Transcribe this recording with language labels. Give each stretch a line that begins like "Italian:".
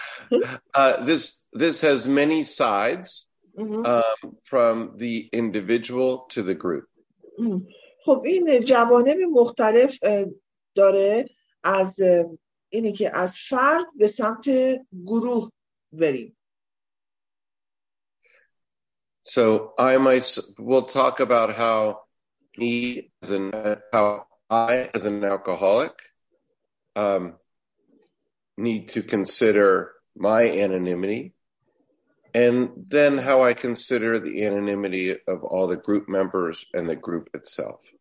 English: this has many sides from the individual to the group.
Persian: خب این جوانب مختلف داره از اینی که از فرد به سمت گروه بریم.
English: So I might we'll talk about how me as an how I as an alcoholic need to consider my anonymity and then how I consider the anonymity of all the group members and the group itself.